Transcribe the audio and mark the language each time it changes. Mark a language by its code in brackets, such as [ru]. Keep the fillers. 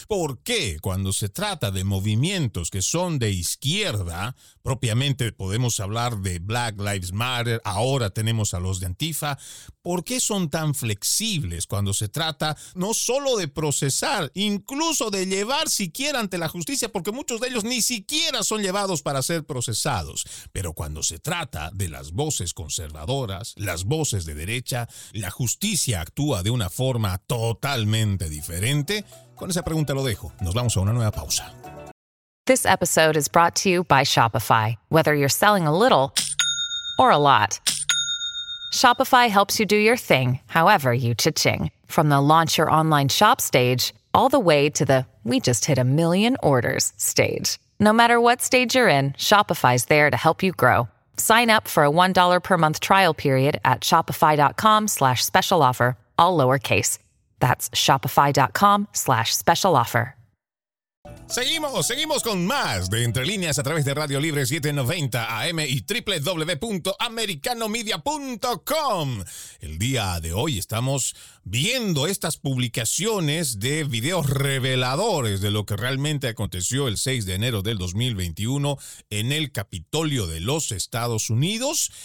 [es] ¿Por qué cuando se trata de movimientos que son de izquierda, propiamente podemos hablar de Black Lives Matter, ahora tenemos a los de Antifa, ¿por qué son tan flexibles cuando se trata no solo de procesar, incluso de llevar siquiera ante la justicia, porque muchos de ellos ni siquiera son llevados para ser procesados, pero cuando se trata de las voces conservadoras, las voces de derecha, la justicia actúa de una forma totalmente diferente? Con esa pregunta lo dejo. Nos vamos a una nueva pausa. [en] This episode is brought to you by Shopify. Whether you're selling a little or a lot, Shopify helps you do your thing, however you chi ching From the launch your online shop stage, all the way to the we just hit a million orders stage. No matter what stage you're in, Shopify's there to help you grow. Sign up for a $1 per month trial period at shopify.com slash special offer, all lowercase. That's shopify.com slash special offer. [es] Seguimos, seguimos con más de Entre Líneas a través de Radio Libre 790 AM y www.americanomedia.com. El día de hoy estamos... viendo estas publicaciones de videos reveladores de lo que realmente aconteció el 6 de enero del 2021 en el Capitolio de los Estados Unidos.